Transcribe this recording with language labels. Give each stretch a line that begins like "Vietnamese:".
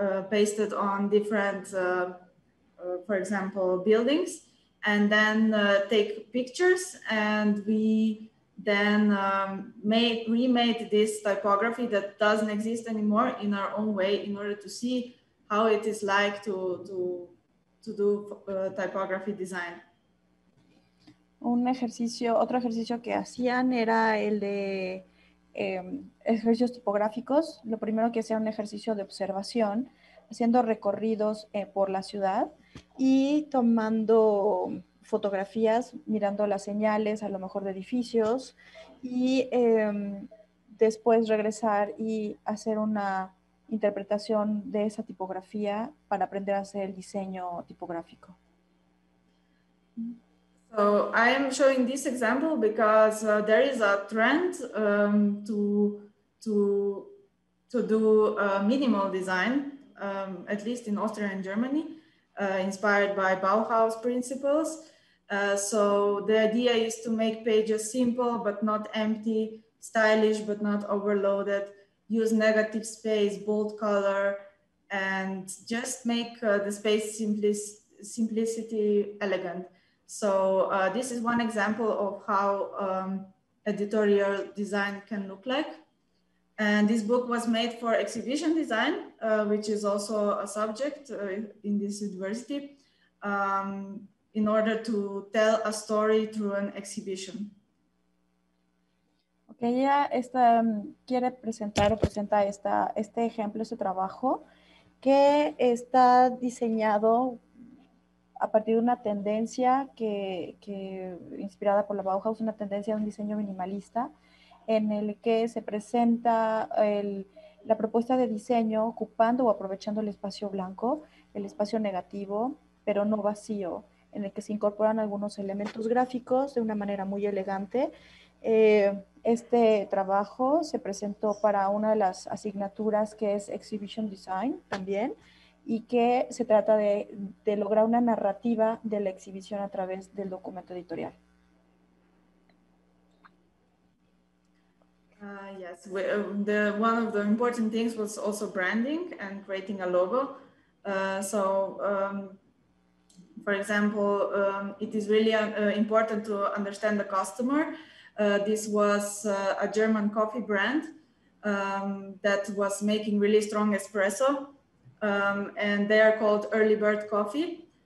English: pasted on different, for example, buildings, and then take pictures, and we then remade this typography that doesn't exist anymore in our own way in order to see how it is like to do typography design.
Spanish: Otro ejercicio que hacían era el de ejercicios tipográficos. Lo primero que hacía era un ejercicio de observación, haciendo recorridos por la ciudad y tomando fotografías, mirando las señales, a lo mejor de edificios, y después regresar y hacer una interpretación de esa tipografía para aprender a hacer el diseño tipográfico.
English: So So I am showing this example because there is a trend to do minimal design, at least in Austria and Germany, inspired by Bauhaus principles. So the idea is to make pages simple but not empty, stylish but not overloaded, use negative space, bold color, and just make the space simplicity elegant. So this is one example of how editorial design can look like. And this book was made for exhibition design, which is also a subject in this university, in order to tell a story through an exhibition.
Spanish: Okay, ella está, quiere presentar o presenta esta, este ejemplo, este trabajo, que está diseñado a partir de una tendencia que inspirada por la Bauhaus, una tendencia de un diseño minimalista, en el que se presenta el, la propuesta de diseño ocupando o aprovechando el espacio blanco, el espacio negativo, pero no vacío, en el que se incorporan algunos elementos gráficos de una manera muy elegante. Este trabajo se presentó para una de las asignaturas que es Exhibition Design también, y que se trata de lograr una narrativa de la exhibición a través del documento editorial.
English: Yes, we, the, one of the important things was also branding and creating a logo. So, for example, it is really important to understand the customer. This was a German coffee brand that was making really strong espresso, and they are called Early Bird Coffee.